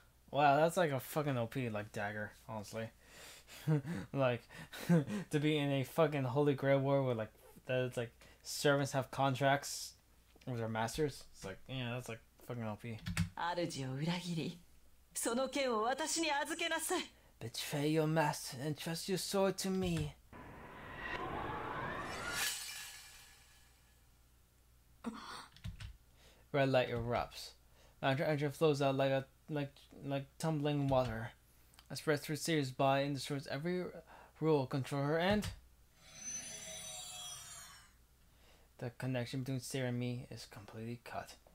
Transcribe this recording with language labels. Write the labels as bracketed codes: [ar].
[en] Wow, that's like a fucking OP, like, dagger, honestly. like, to be in a fucking Holy Grail war where, like, that it's like, servants have contracts with their masters. It's like, yeah, that's like fucking OP. [ja] 主を裏切り、その剣を私に預けなさい。 [en] Betray your master and trust your sword to me. Red light erupts. Mantra energy flows out like a... Like tumbling water. I spread through Sears by and destroys every rule control her and the connection between Sear and me is completely cut.